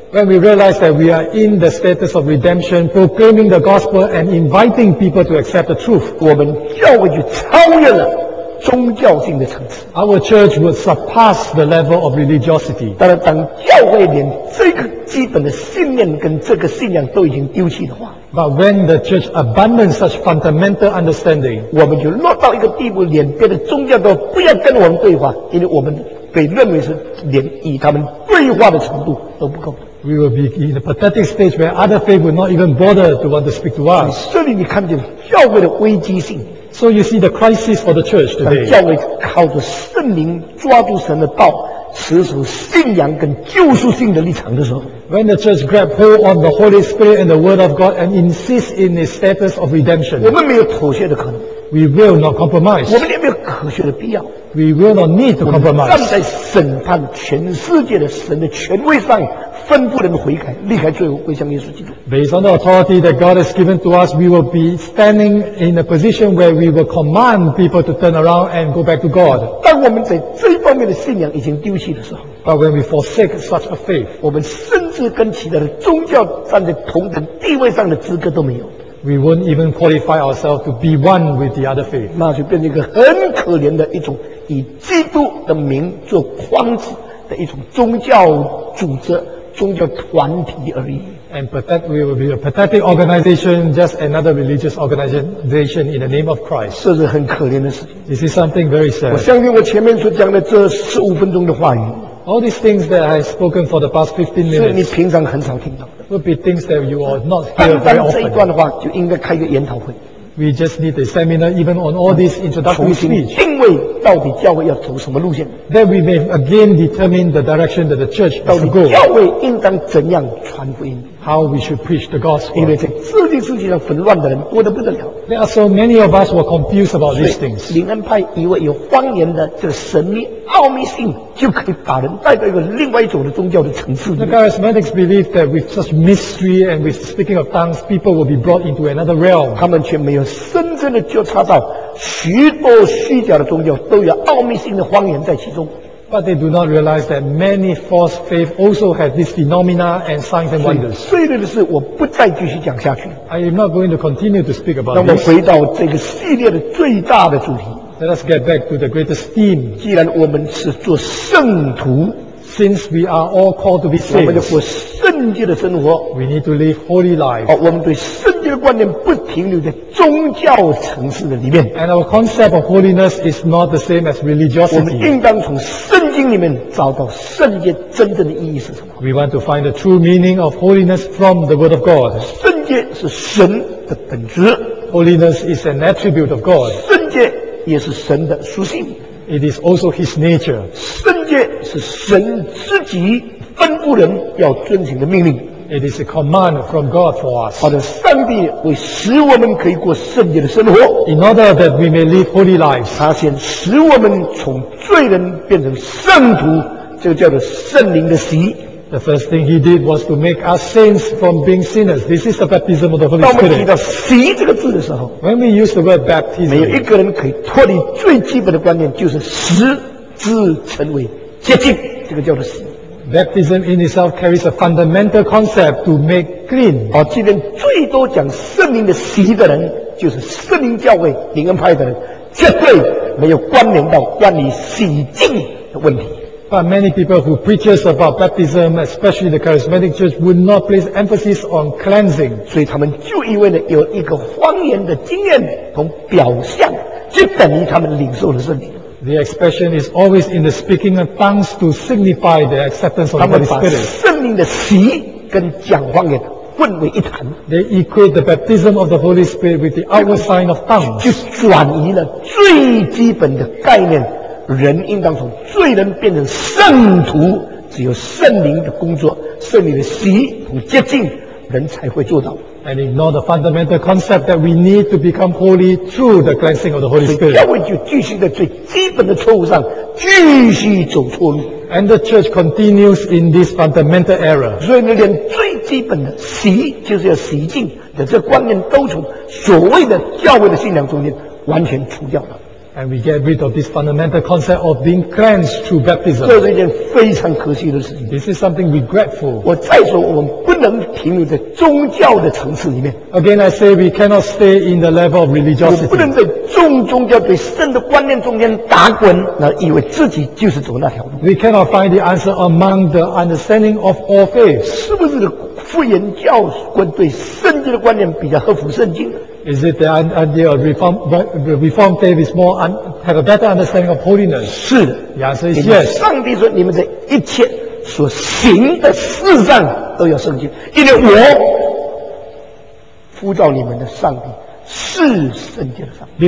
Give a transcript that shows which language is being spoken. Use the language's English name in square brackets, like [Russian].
[English] When we realize that we are in the status of redemption, proclaiming the gospel and inviting people to accept the truth, [Chinese] 我们教会就超越了宗教性的层次。 [English] Our church would surpass the level of religiosity. [Chinese] 当然，当教会连这个基本的信念跟这个信仰都已经丢弃的话， [English] But when the church abandons such fundamental understanding, [Chinese] 我们就落到一个地步，连别的宗教都不要跟我们对话，因为我们被认为是连与他们对话的程度都不够。 [English] We will be in a pathetic stage where other faith will not even bother to want to speak to us. [Chinese] 这里你看见教会的危机性。 [English] So you see the crisis for the church today. [Chinese] 但教会靠着圣灵抓住神的道，持守信仰跟救赎性的立场的时候， [English] When the church grabs hold on the Holy Spirit and the Word of God and insists in its status of redemption, [Chinese] 我们没有妥协的可能。 [English] We will not compromise. [Chinese] 我们也没有妥协的必要。 [English] We will not need to compromise. [Chinese] 我们站在审判全世界的神的权威上。吩咐人悔改，离开罪恶，归向耶稣基督。 [English] Based on the authority that God has given to us, we will be standing in a position where we will command people to turn around and go back to God. [Chinese] 当我们在这一方面的信仰已经丢弃的时候， [English] But when we forsake such a faith, [Chinese] 我们甚至跟其他的宗教站在同等地位上的资格都没有。 [English] We won't even qualify ourselves to be one with the other faith. [Chinese] 那就变成一个很可怜的一种以基督的名做幌子的一种宗教组织。宗教团体而已。 [English] And pathetic, we will be a pathetic organization, just another religious organization in the name of Christ. [Chinese] 这是很可怜的事情。 [English] This is something very sad. [Chinese] 我相信我前面所讲的这十五分钟的话语。 [English] All these things that I've spoken for the past 15 minutes. [Chinese] 是你平常很少听到的。 [English] Would be things that you are not hear very often. [Chinese] 单单这一段的话，就应该开个研讨会。 [English] We just need a seminar even on all these introductory speech. [Chinese] 重新定位到底教会要走什么路线。 [English] Then we may again determine the direction that the church should go. [Chinese] 到底教会应当怎样传福音。 [English] How we should preach the gospel. [Chinese] 因为在这件事情上混乱的人多得不得了。 [English] There are so many of us who are confused about these things. [Chinese] 灵恩派以为有方言的这个神秘冒昧性就可以把人带到一个另外一种的宗教的层次。 [English] The charismatics believe that with such mystery and with speaking of tongues, people will be brought into another realm. [Chinese] 他们却没有深深的觉察到许多虚假的宗教都有奥秘性的谎言在其中。 [English] But they do not realize that many false faiths also have this phenomena and signs and wonders. [Chinese] 碎裂的事我不再继续讲下去。 [English] I am not going to continue to speak about this. [Chinese] 那么回到这个系列的最大的主题。 [English] Let us get back to the greatest theme. [Chinese] 既然我们是做圣徒， [English] since we are all called to be saints, [Chinese] 我们要过圣洁的生活。 [English] We need to live holy lives. [Chinese] 我们对圣洁的观念不停留在宗教层次的里面。 [English] And our concept of holiness is not the same as religiosity. [Chinese] 我们应当从圣经里面找到圣洁真正的意义是什么。 [English] We want to find the true meaning of holiness from the Word of God. [Chinese] 圣洁是神的本质。 [English] Holiness is an attribute of God. [Chinese] 圣洁也是神的属性。 [English] It is also His nature. [Chinese] 圣洁是神自己吩咐人要遵行的命令。 [English] It is a command from God for us. [Chinese] 好的，上帝为使我们可以过圣洁的生活。 [English] In order that we may live holy lives. [Chinese] 他先使我们从罪人变成圣徒，这个叫做圣灵的洗。 [English] The first thing He did was to make us saints from being sinners. This is the baptism of the Holy Spirit. [Chinese] 当我们提到洗这个字的时候， [English] When we use the word baptism, [Chinese] 没有一个人可以脱离最基本的观念，就是十字成为洁净，这个叫做洗。 [English] Baptism in itself carries a fundamental concept to make clean. [Chinese] 好，今天最多讲圣灵的洗的人，就是圣灵教会灵恩派的人，绝对没有关联到关于洗净的问题。 [English] But many people who preach about baptism, especially the charismatic church, would not place emphasis on cleansing. [Chinese] 所以他们就以为呢，有一个方言的经验，从表象就等于他们领受了圣灵。 [English] The expression is always in the speaking of tongues to signify the acceptance of the Holy Spirit. [Chinese] 他们把圣灵的洗跟讲方言混为一谈。 [English] They equate the baptism of the Holy Spirit with the outward sign of tongues. [Chinese] 就转移了最基本的概念。人应当从罪人变成圣徒，只有圣灵的工作，圣灵的洗和洁净，人才会做到。 [English] And ignore the fundamental concept that we need to become holy through the cleansing of the Holy Spirit. [Chinese] 教会就继续在最基本的错误上继续走错路。 [English] And the church continues in this fundamental error. [Chinese] 所以连最基本的洗就是要洗净的这观念，都从所谓的教会的信仰中间完全除掉了。 [English] And we get rid of this fundamental concept of being cleansed through baptism. [Chinese] 这是一件非常可惜的事情。 [English] This is something regretful. [Chinese] 我再说，我们不能停留在宗教的层次里面。 [English] Again, I say we cannot stay in the level of religiosity. [Chinese] 我不能在宗教对圣的观念中间打滚，那以为自己就是走那条路。 [English] We cannot find the answer among the understanding of all faiths. [Chinese] 是不是复原教观对圣经的观念比较合乎圣经？ [English] Is it the idea of reform faith is more have a better understanding of holiness? [Chinese] 是的， [English] 的 answer is yes. [Chinese] 上帝说你们的一切所行的事上都要圣洁，因为我呼召你们的上帝是圣洁的上帝。